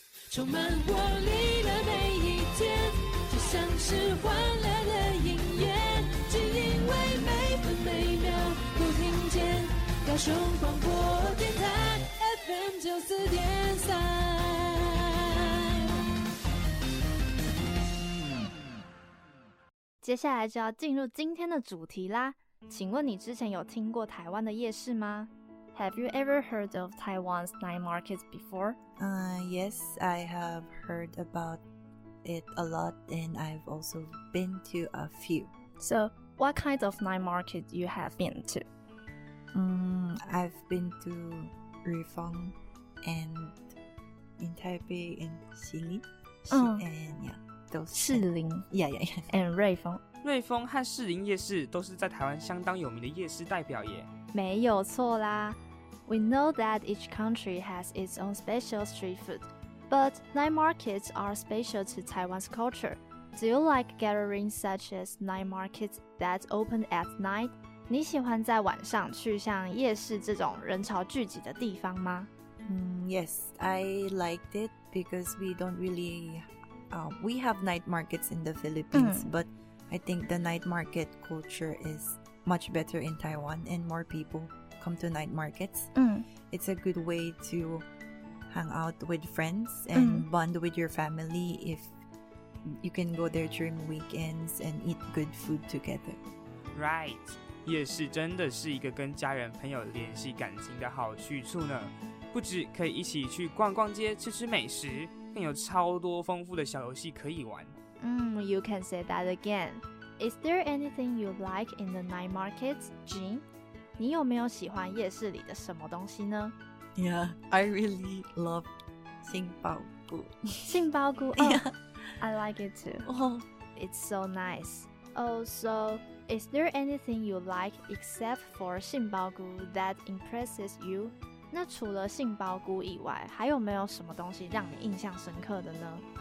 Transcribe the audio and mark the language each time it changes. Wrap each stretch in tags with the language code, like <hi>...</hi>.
<zh>充满活力的每一天，就像是欢乐的音乐，只因为每分每秒都听见高雄广播电台FM94.3。接下来就要进入今天的主题啦，请问你之前有听过台湾的夜市吗？</zh> <en>Have you ever heard of Taiwan's night markets before? Yes, I have heard about it a lot, and I've also been to a few. So, what kind of night market you have been to? I've been to Rifong and in Taipei and Xilin, and yeah, those.</en> <zh>士林</zh> <en>yeah. And 瑞丰。</en> <zh>瑞丰和士林夜市都是在台湾相当有名的夜市代表耶。没有错啦。</zh> <en>We know that each country has its own special street food, but night markets are special to Taiwan's culture. Do you like gatherings such as night markets that open at night?</en> <zh>你喜欢在晚上去像夜市这种人潮聚集的地方吗？</zh> <en>Yes, I liked it because we don't really... we have night markets in the Philippines, but I think the night market culture is much better in Taiwan, and more people come to night markets. It's a good way to hang out with friends and bond with your family if you can go there during weekends and eat good food together. Right.</en> <zh>夜市真的是一个跟家人朋友联系感情的好去处呢，不止可以一起去逛逛街吃吃美食，更有超多丰富的小游戏可以玩。</zh> <en>You can say that again. Is there anything you like in the night markets, Jin?</en> <zh>你有没有喜欢夜市里的什么东西呢？</zh> <en>Yeah, I really love 杏鲍菇。杏鲍菇、oh, yeah. I like it too. Oh, it's so nice. Also,Is there anything you like except for 杏鲍菇 that impresses you?</en> <zh>那除了杏鲍菇以外，还有没有什么东西让你印象深刻的呢？</zh>